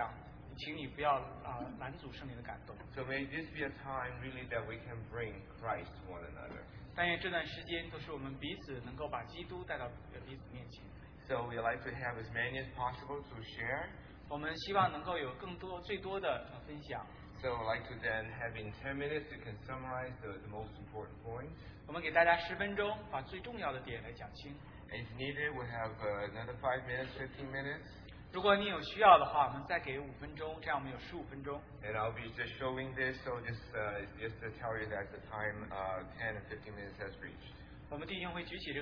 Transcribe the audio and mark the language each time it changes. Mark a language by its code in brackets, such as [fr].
[zh] 如果圣灵在你心中运行，感动你，分享，请你不要拦阻圣灵的感动。So [en] may this be a time really that we can bring Christ to one another. [zh] 但愿这段时间都是我们彼此能够把基督带到彼此面前。So [en] we'd like to have as many as possible to share. [zh] 我们希望能够有更多最多的分享。 [en] So I'd like to then have in 10 minutes you can summarize the most important points. [zh] 我们给大家10分钟把最重要的点来讲清。 [en] If needed, we'll have another 5 minutes, 15 minutes. [zh] 如果你有需要的话,我们再给5分钟,这样我们有15分钟。 [en] And I'll be just showing this, so just to tell you that the time 10 and 15 minutes has reached.